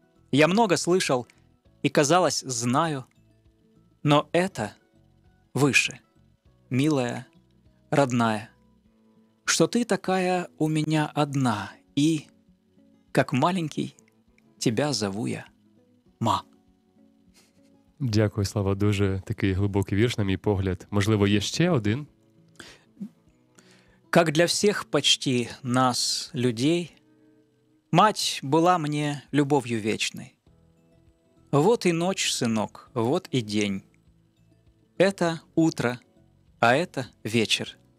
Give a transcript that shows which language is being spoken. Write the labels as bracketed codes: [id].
[ru] Я много слышал и, казалось, знаю, но это выше, милая, родная, что ты такая у меня одна, и, как маленький, тебя зову я ма. [uk] Дякую, Слава, дуже такий глибокий вірш, на мій погляд. Можливо, є ще один? [ru] Как для всех почти нас, людей, мать была мне любовью вечной. Вот и ночь, сынок, вот и день. Это утро, а это вечер.